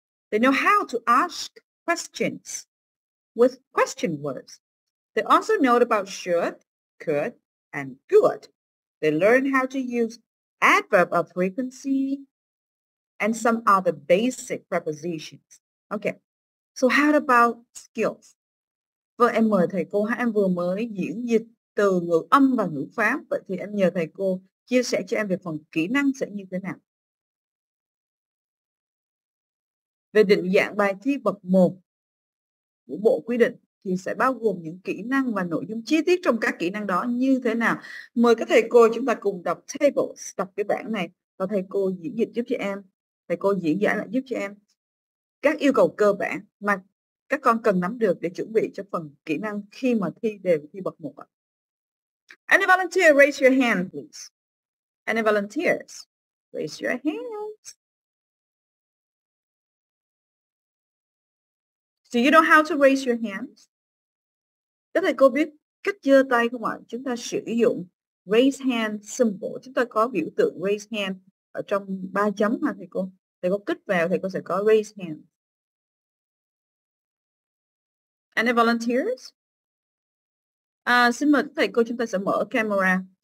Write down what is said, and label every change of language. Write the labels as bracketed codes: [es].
[en] They know how to ask questions with question words. They also know about should, could, and good. They learn how to use adverb of frequency and some other basic prepositions. Okay, so how about skills? [vi] Vừa em mời thầy cô, em vừa mới diễn dịch từ ngữ âm và ngữ pháp. Vậy thì em nhờ thầy cô chia sẻ cho em về phần kỹ năng sẽ như thế nào? Về định dạng bài thi bậc 1 của bộ quy định thì sẽ bao gồm những kỹ năng và nội dung chi tiết trong các kỹ năng đó như thế nào? Mời các thầy cô chúng ta cùng đọc tables, đọc cái bảng này và thầy cô diễn dịch giúp cho em. Thầy cô diễn giải lại giúp cho em các yêu cầu cơ bản mà các con cần nắm được để chuẩn bị cho phần kỹ năng khi mà thi đề thi bậc 1. [en] Any volunteer, raise your hand, please. Any volunteers, raise your hand. Do you know how to raise your hands? [vi] Các thầy cô biết cách giơ tay không ạ? Chúng ta sử dụng raise hand symbol. Chúng ta có biểu tượng raise hand ở trong ba chấm mà thầy cô. Thầy cô kích vào, thầy cô sẽ có raise hand. [en] Any volunteers? [vi] Xin mời các thầy cô chúng ta sẽ mở camera.